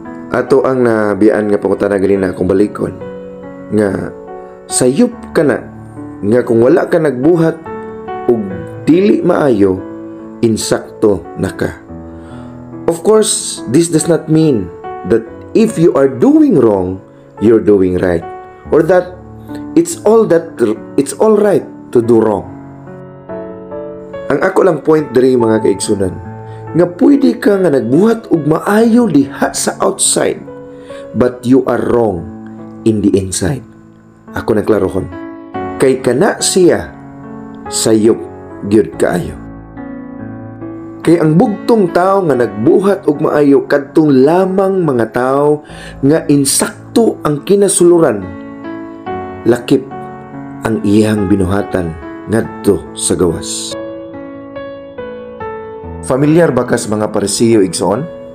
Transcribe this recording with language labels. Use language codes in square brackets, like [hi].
[ceb] Ato ang nabian nga pangutan na ganina akong balikon nga sayup ka na nga kung wala ka nagbuhat ug dili maayo, insakto na ka. [en] Of course, this does not mean that if you are doing wrong, you're doing right, or that it's all right to do wrong. [ceb] Ang ako lang point diri mga kaigsoonan, nga pwede ka nga nagbuhat ug maayo diha sa outside, [en] but you are wrong in the inside. [ceb] Ako na klarohon. Kay kana siya sayop gyud kaayo. Kay ang bugtong tao nga nagbuhat og maayo kadtong lamang mga tao nga insakto ang kinasuluran, lakip ang iyang binuhatan ngadto sa gawas. Familiar ba ka sa mga Pariseo igsoon?